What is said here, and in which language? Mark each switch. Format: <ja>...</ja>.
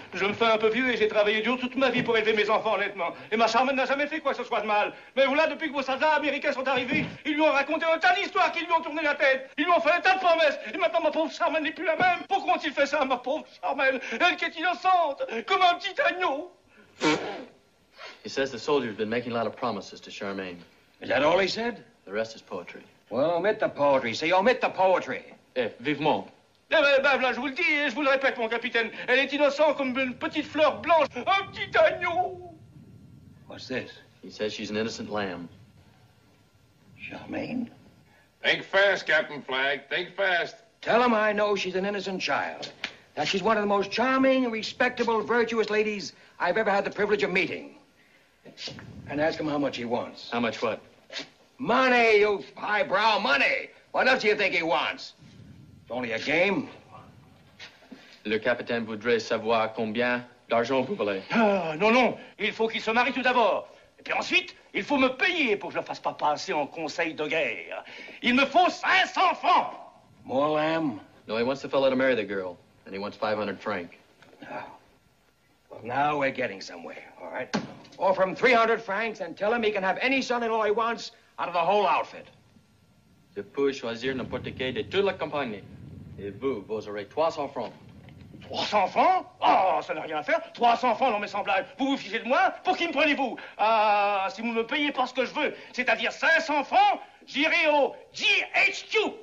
<fr>Je me fais un peu vieux et j'ai travaillé dur toute ma vie pour élever mes enfants honnêtement. Et ma charmante n'a jamais fait quoi que ce soit de mal. Mais voilà, depuis que vos soldats américains sont arrivés, ils lui ont raconté un tas d'histoires qui lui ont tourné la tête. Ils lui ont fait un tas de promesses. Et maintenant, ma pauvre charmante n'est plus la même. Pourquoi ont-ils fait ça, ma pauvre charmante? Elle qui est innocente, comme un petit agneau.</fr> <en>He says the soldier's been making a lot of promises to Charmaine. Is that all he said? The rest is poetry. Well, omit the poetry. See, omit the poetry.</en> <fr>Eh, vivement. Eh ben, voilà, je vous le dis et je vous le répète, mon capitaine. Elle est innocente comme une petite fleur blanche, un petit agneau.</fr> <en>What's this? He says she's an innocent lamb. Charmaine? Think fast, Captain Flagg. Think fast. Tell him I know she's an innocent child. That she's one of the most charming, respectable, virtuous ladies I've ever had the privilege of meeting. And ask him how much he wants. How much what? Money, you highbrow, money. What else do you think he wants? It's only a game.</en> <fr>Le capitaine voudrait savoir combien d'argent vous voulez. Non, non. Il faut qu'il se marie tout d'abord. Et puis ensuite, il faut me payer pour que je ne fasse pas passer en conseil de guerre. Il me faut 500 francs.</fr> <en>More lamb? No, he wants the fellow to marry the girl. And he wants 500 francs. Well, now we're getting somewhere, all right? Offer him 300 francs and tell him he can have any son-in-law he wants out of the whole outfit.</en> <fr>Je peux choisir n'importe qui de toute la campagne. Et vous aurez 300 francs. 300 francs? Oh, ça n'a rien à faire. 300 francs, non, mes semblables. Vous vous fichez de moi? Pour qui me prenez-vous? Si vous me payez pour ce que je veux, c'est-à-dire 500 francs, j'irai au GHQ.</fr>